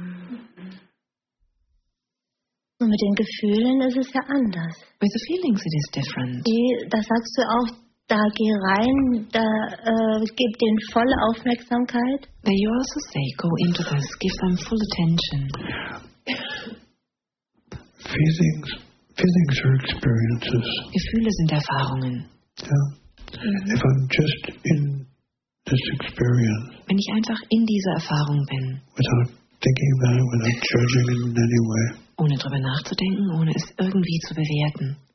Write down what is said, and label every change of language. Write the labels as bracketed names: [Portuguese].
[German] Und mit den Gefühlen ist es ja anders. [English] With the feelings it is different. [German] Da sagst du auch, da geh rein, da gib denen volle Aufmerksamkeit. [English] There you also say, go into this, give them full attention. Feelings are experiences. [German] Gefühle sind Erfahrungen. [English] Yeah. If I'm just in this experience. [German] Wenn ich einfach in dieser Erfahrung bin. [English] Without thinking about it, without judging it in any way. [German] Ohne drüber nachzudenken, ohne es irgendwie zu bewerten.